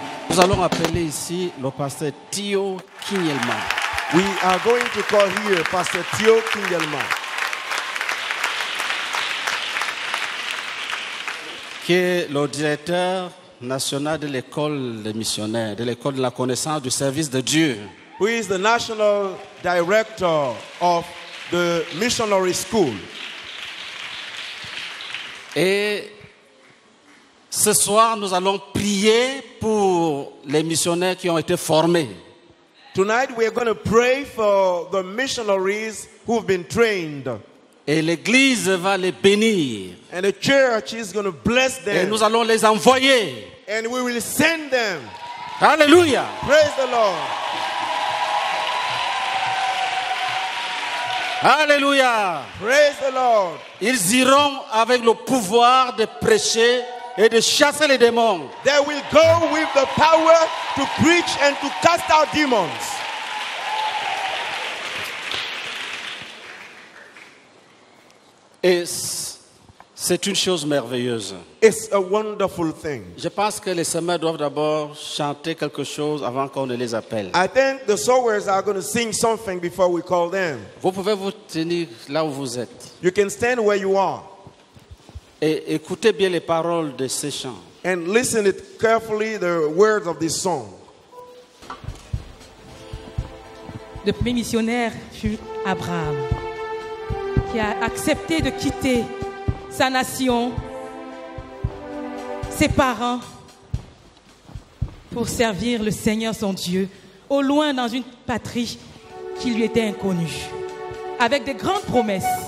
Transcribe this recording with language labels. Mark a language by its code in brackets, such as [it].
[fr] Nous allons appeler ici le pasteur Théo Kinyelma. [en] We are going to call here Pastor Théo Kinyelma. [fr] Qui est le directeur national de l'école des missionnaires, de l'école de la connaissance du service de Dieu. [en] Who is the national director of the missionary school? [fr] Et ce soir, nous allons prier pour les missionnaires qui ont été formés. [en] Tonight, we are going to pray for the missionaries who have been trained. [fr] Et l'église va les bénir. [en] And the church is going to bless them. [fr] Et nous allons les envoyer. [en] And we will send them. [fr] Alléluia. [en] Praise the Lord. [fr] Alléluia. [en] Praise the Lord. [fr] Ils iront avec le pouvoir de prêcher et de chasser les démons. [en] They will go with the power to preach and to cast out demons. [fr] Et c'est une chose merveilleuse. [en] It's a wonderful thing. [fr] Je pense que les semeurs doivent d'abord chanter quelque chose avant qu'on ne les appelle. [en] I think the sowers are going to sing something before we call them. [fr] Vous pouvez vous tenir là où vous êtes. [en] You can stand where you are. [fr] Et écoutez bien les paroles de ces chants. [en] And listen it carefully the words of this song. [fr] Le premier missionnaire fut Abraham, qui a accepté de quitter sa nation, ses parents, pour servir le Seigneur son Dieu, au loin dans une patrie qui lui était inconnue, avec des grandes promesses.